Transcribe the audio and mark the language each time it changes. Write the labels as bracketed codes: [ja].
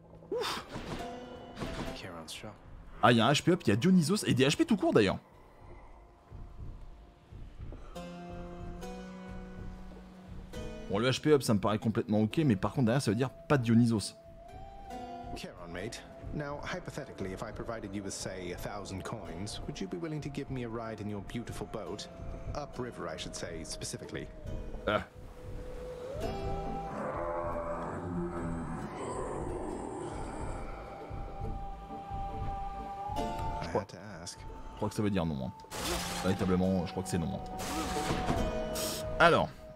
[fr] Ouf. Ah, il y a un HP up, il y a Dionysos et des HP tout court d'ailleurs. Bon, le HP up, ça me paraît complètement ok, mais par contre derrière, ça veut dire pas de Dionysos. [en] Charon, mate. Now, hypothetically, if I provided you with, say, 1,000 coins, would you be willing to give me a ride in your beautiful boat? Upriver, I should say, specifically. [fr] Je crois que ça veut dire non, hein. Véritablement, je crois que c'est non, hein. Alors.